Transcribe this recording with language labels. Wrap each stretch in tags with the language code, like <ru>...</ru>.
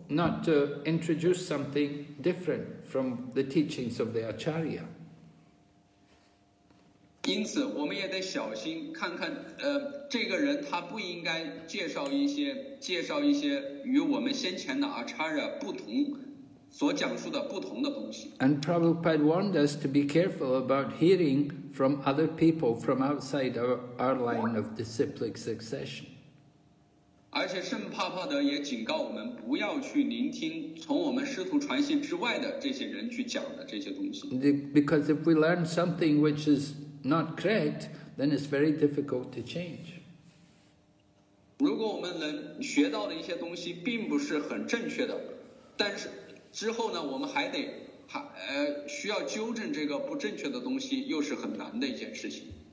<en>Not to introduce something different from the teachings of the Acharya.</en> <zh>因此，我们也得小心看看，这个人他不应该介绍一些与我们先前的 Acharya 不同所讲述的不同的东西。</zh> <en>And Prabhupada warned us to be careful about hearing from other people from outside our line of disciplic succession.</en> <zh>而且圣帕帕德也警告我们不要去聆听从我们师徒传系之外的这些人去讲的这些东西。</zh> <en>Because if we learn something which is not correct, then it's very difficult to change.</en> <zh>如果我们能学到的一些东西并不是很正确的，但是之后呢，我们还需要纠正这个不正确的东西，又是很难的一件事情。</zh>